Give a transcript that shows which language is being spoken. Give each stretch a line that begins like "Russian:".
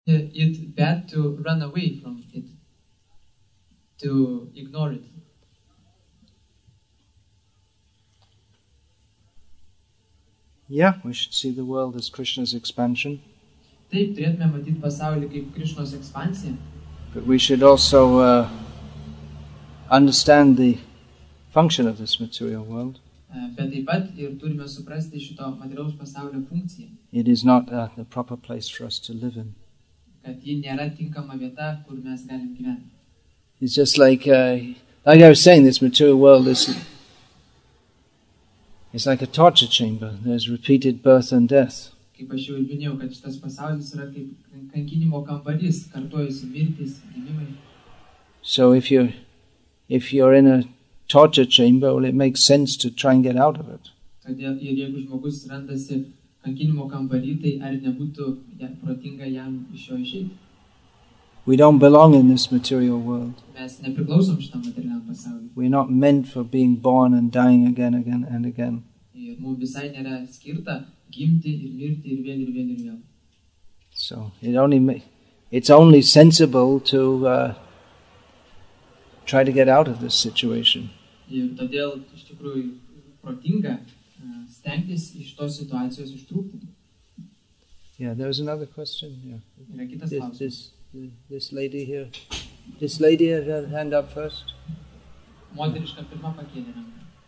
English: It's bad to run away from it, to ignore it. Yeah, we should see the world as Krishna's expansion.
Lithuanian: Taip, turėtume matyti pasaulį kaip Krishnos ekspansiją.
English: But we should also understand the function of this material world.
Lithuanian: Bet taip pat ir turime suprasti šito materialaus pasaulio funkciją.
English: It is not the proper place for us to live in.
Lithuanian: Kad ji nėra tinkama vieta, kur mes galim gyventi.
English: It's just like I was saying, this material world is... It's like a torture chamber. There's repeated birth and death.
Lithuanian: Kaip aš jau minėjau, kad šitas pasaulis yra kaip kankinimo kambarys, kartuojasi mirtis, gimimai.
English: So if you're in a torture chamber, well, it makes sense to try and get out of it.
Lithuanian: Ir jeigu žmogus randasi kankinimo kambarį, tai ar nebūtų protinga jam iš jo išeiti?
English: We don't belong in this material world.
Lithuanian: Mes nepriklausom šitam materialiam pasauliui.
English: We're not meant for being born and dying again, again and again.
Lithuanian: Ir mums visai nėra skirta gimti ir mirti ir vėl ir vėl ir vėl.
English: So it's only sensible to try to get out of this situation.
Lithuanian: Ir todėl iš tikrųjų protinga stengtis iš tos situacijos ištrūkti.
English: Yeah, there was another question. Yeah.
Lithuanian: Yra kitas klausimas.
English: This lady has her hand up first.
Lithuanian: Moteriška pirma pakėlė ranką.